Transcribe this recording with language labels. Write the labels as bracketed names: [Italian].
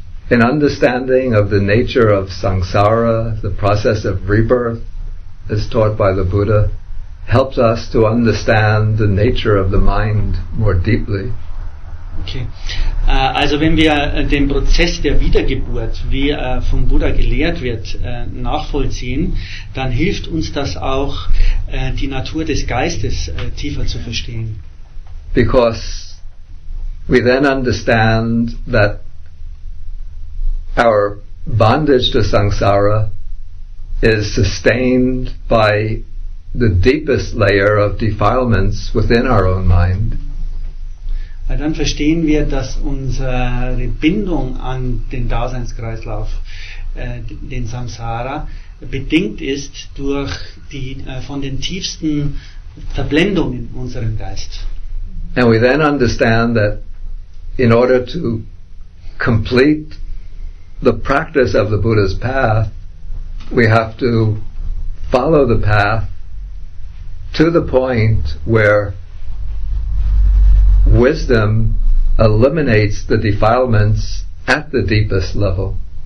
[English] An understanding of the nature of samsara, the process of rebirth, as taught by the Buddha, helps us to understand the nature of the mind more deeply. Okay. [German] Also wenn wir den Prozess der Wiedergeburt, wie vom Buddha gelehrt wird, nachvollziehen, dann hilft uns das auch, die Natur des Geistes tiefer zu verstehen. [English] Because we then understand that our bondage to samsara is sustained by the deepest layer of defilements within our own mind. [German] Weil dann verstehen wir, dass unsere Bindung an den Daseinskreislauf, den Samsara, bedingt ist durch die von den tiefsten Verblendungen in unserem Geist. [English] And we then understand that in order to complete the practice of the Buddha's path, we have to follow the path to the point where wisdom eliminates the defilements at the deepest level.